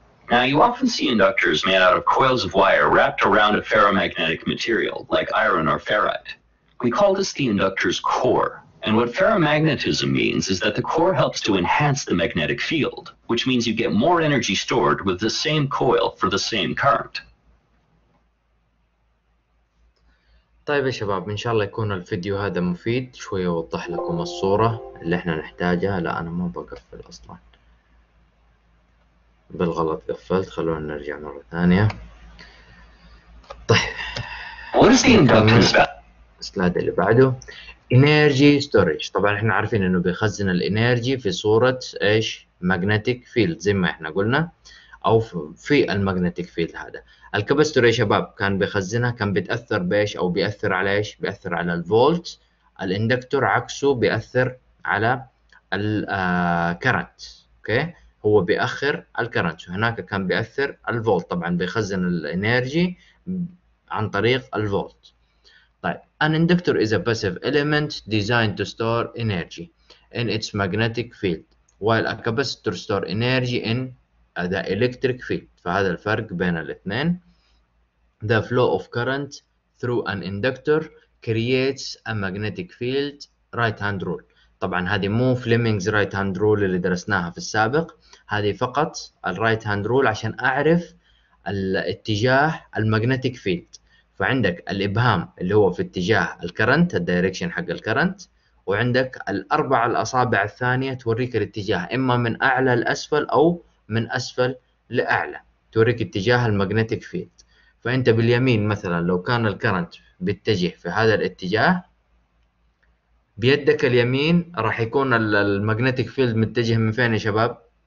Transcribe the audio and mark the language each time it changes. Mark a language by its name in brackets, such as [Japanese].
[English] Now, you often see inductors made out of coils of wire wrapped around a ferromagnetic material, like iron or ferrite. We call this the inductor's core. And what ferromagnetism means is that the core helps to enhance the magnetic field, which means you get more energy stored with the same coil for the same current. [Arabic] طيب يا شباب ان شاء الله يكون الفيديو هذا مفيد شوي يوضح لكم الصوره اللي احنا نحتاجها لا انا ما بقفل اصلا بالغلط قفلت خلونا نرجع مره ثانيه طيب [English] what is the inductance [Arabic] السلايد اللي بعده energy storage طبعا احنا عارفين انه بيخزن الانرجي في صوره ايش magnetic field زي ما احنا قلنا او في الماجنتيك فيلد هذا الكابستور يا شباب كان بيخزنها كان بيتاثر بايش او بياثر على ايش بياثر على الفولت الاندكتور عكسه بياثر على الكرنت اوكي هو بياخر الكرنت وهناك كان بياثر الفولت طبعا بيخزن الانرجي عن طريق الفولت طيب [English] An inductor is a passive element design to store energy in its magnetic field while a capacitor store energy in The electric field. [Arabic] فهذا الفرق بين الاثنين. [English] The flow of current through an inductor creates a magnetic field. Right hand rule. [Arabic] طبعا هذه مو Fleming's right hand rule اللي درسناها في السابق. هذه فقط ال right hand rule عشان أعرف الاتجاه الماجنتيك فيلد. فعندك الإبهام اللي هو في اتجاه الكرنت ال direction حق الكرنت. وعندك الأربع الأصابع الثانية توريك الاتجاه إما من أعلى لأسفل أو من أسفل لأعلى توريك اتجاه الماجنتيك فيلد فأنت باليمين مثلا لو كان الكرنت بيتجه في هذا الاتجاه بيدك اليمين راح يكون الماجنتيك فيلد متجه من فين يا شباب